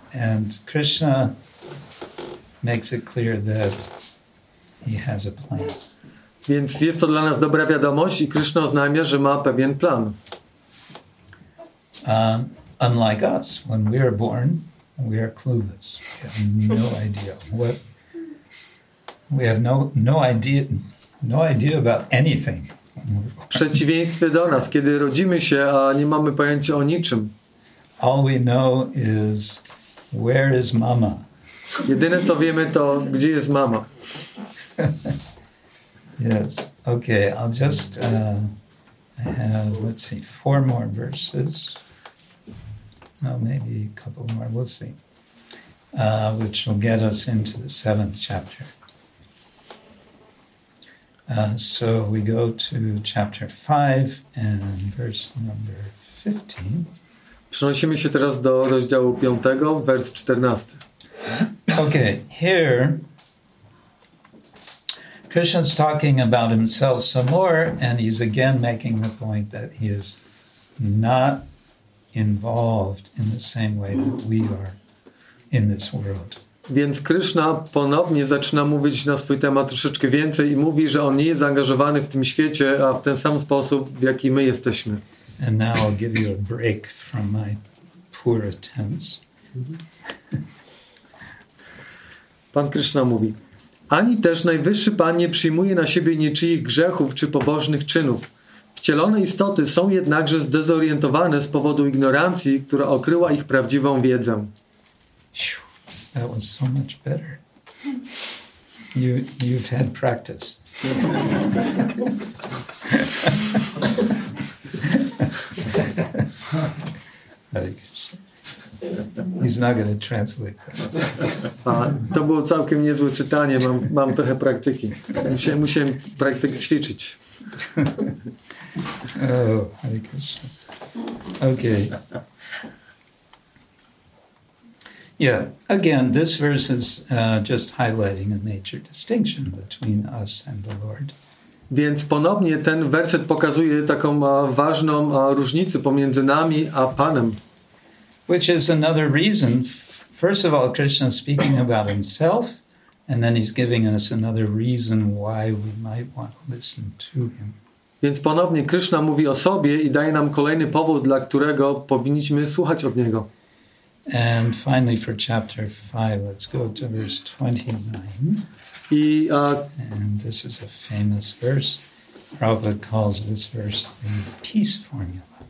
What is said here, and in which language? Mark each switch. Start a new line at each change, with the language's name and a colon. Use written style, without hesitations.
English: And Krishna makes it clear that he has a plan.
Polish: Więc jest to dla nas dobra wiadomość i Krishna oznajmia, że ma pewien plan.
English: Unlike us, when we are born, we are clueless. We have no idea what. We have no idea about anything.
Polish: W przeciwieństwie do nas, kiedy rodzimy się, a nie mamy pojęcia o niczym.
English: All we know is where is mama.
Polish: Jedyne co wiemy, to gdzie jest mama.
English: Yes. Okay. I'll just have. Let's see. Four more verses. Well, maybe a couple more. We'll see. Which will get us into the seventh chapter. So we go to chapter 5 and verse number 15.
Polish: Przenosimy się teraz do rozdziału 5, wers 14.
English: Okay, here Krishna's talking about himself some more, and he's again making the point that he is not involved in the same way that we are in this world.
Polish: Więc Krishna ponownie zaczyna mówić na swój temat troszeczkę więcej i mówi, że on nie jest zaangażowany w tym świecie, a w ten sam sposób, w jaki my jesteśmy.
English: And now I'll give you a break from my poor attempts.
Polish: Pan Krishna mówi: ani też najwyższy Pan nie przyjmuje na siebie niczyich grzechów czy pobożnych czynów. Wcielone istoty są jednakże zdezorientowane z powodu ignorancji, która okryła ich prawdziwą wiedzę.
English: That was so much better. You've had practice. He's not going to translate.
Polish: To było całkiem niezłe czytanie. Mam trochę praktyki. Musiałem praktykę ćwiczyć.
English: Oh, Hare Krishna. Okay. Yeah, again, this verse is just highlighting a major distinction between us and the Lord.
Polish: Więc ponownie ten werset pokazuje taką ważną różnicę pomiędzy nami a Panem.
English: Which is another reason. First of all, Krishna is speaking about himself, and then he's giving us another reason why we might want to listen to him.
Polish: Więc ponownie Krishna mówi o sobie i daje nam kolejny powód, dla którego powinniśmy słuchać od niego.
English: And finally for chapter 5, let's go to verse 29. And this is a famous verse. Prabhupada calls this verse the peace formula.